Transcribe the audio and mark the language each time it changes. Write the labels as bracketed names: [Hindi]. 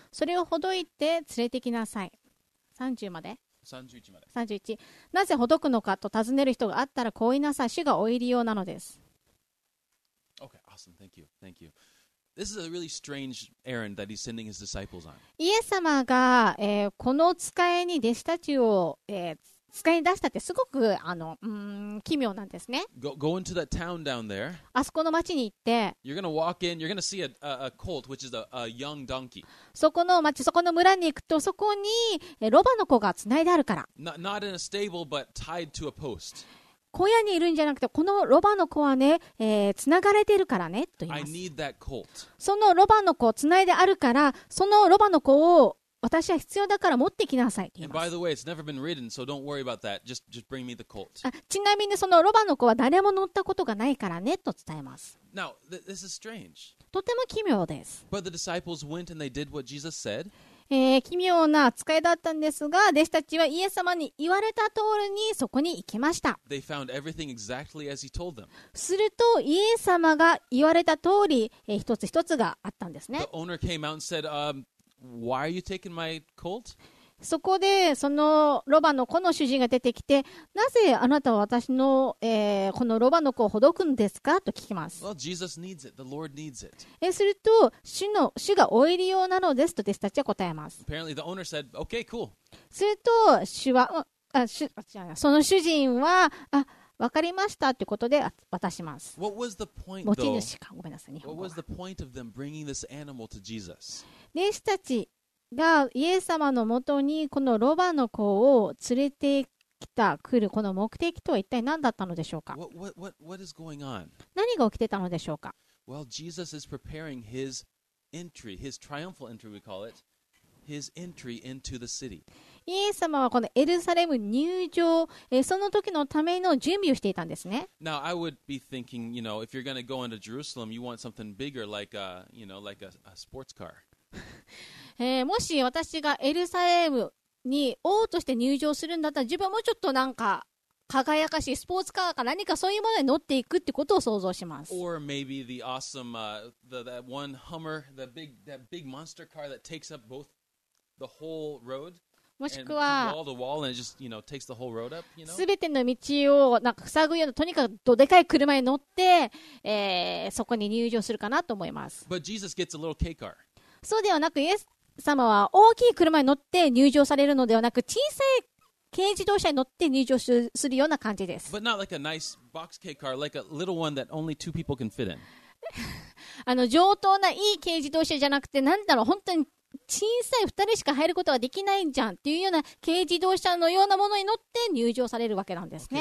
[Japanese] それをほどいて連れてきなさい。 30まで。 31まで。 31。なぜほどくのかと尋ねる人があったらこう言いなさい。主がお入り用なのです。 [English] Awesome. Thank you. Thank you. This is a really strange errand that he's sending his disciples on. [Japanese] イエス様が、この使いに弟子たちを、使いに出したってすごく奇妙なんですね。 [English] Go into that town down there. [Japanese] あそこの町に行って。 [English] You're gonna walk in. You're gonna see a colt, which is a young donkey. [Japanese] そこの町、そこの村に行くと、そこにロバの子がつないであるから。 [English] Not in a stable, but tied to a post. [Japanese] 小屋にいるんじゃなくて、このロバの子はね、繋がれてるからねと言います。 [English] I need that colt. [Japanese] そのロバの子を繋いであるから、そのロバの子を私は必要だから持ってきなさいと言います。 [English] And by the way, it's never been ridden, so don't worry about that. Just bring me the colt. [Japanese] ちなみにそのロバの子は誰も乗ったことがないからねと伝えます。 [English] Now, this is strange. [Japanese] とても奇妙です。 [English] But the disciples went and they did what Jesus said. [Japanese] 奇妙な扱いだったんですが、弟子たちはイエス様に言われた通りにそこに行きました。 [English] They found everything exactly as he told them. [Japanese] するとイエス様が言われた通り、一つ一つがあったんですね。 [English] The owner came out and said, why are you taking my colt? [Japanese] そこでそのロバの子の主人が出てきて、なぜあなたは私の、このロバの子をほどくんですかと聞きます。 [English] Well, Jesus needs it. The Lord needs it. [Japanese] すると主がおいりようなのですと弟子たちは答えます。 [English] Apparently, the owner said, okay, cool. [Japanese] すると その主人は、あ、わかりましたということで渡します。 [English] What was the point, [Japanese] 持ち主か、ごめんなさい、日本語。 [English] What was the point of them bringing this animal to Jesus? [Japanese] 弟子たちがイエス様のもとにこのロバの子を連れてきた、来るこの目的とは一体何だったのでしょうか。 [English] what [Japanese] 何が起きてたのでしょうか。 [English] Well, Jesus is preparing his entry, his triumphal entry we call it, his entry into the city. [Japanese] イエス様はこのエルサレム入場、その時のための準備をしていたんですね。 [English] Now, I would be thinking, you know, if you're going to go into Jerusalem, you want something bigger like a, you know, like a sports car. [Japanese] もし私がエルサレムに王として入場するんだったら、自分もちょっとなんか輝かしいスポーツカーか何かそういうものに乗っていくってことを想像します。 [English] Or maybe the awesome, that one Hummer, that big monster car that takes up both the whole road. [Japanese] もしくは [English] wall to wall and it just, you know, takes the whole road up, you know? [Japanese] 全ての道をなんか塞ぐような、とにかくどでかい車に乗って、そこに入場するかなと思います。 [English] But Jesus gets a little K car. [Japanese] そうではなく、イエス様は大きい車に乗って入場されるのではなく、小さい軽自動車に乗って入場するような感じです。 [English] But not like a nice box K car, like a little one that only two people can fit in. [Japanese] 上等ないい軽自動車じゃなくて、なんだろう、本当に小さい2人しか入ることができないんじゃんっていうような軽自動車のようなものに乗って入場されるわけなんですね。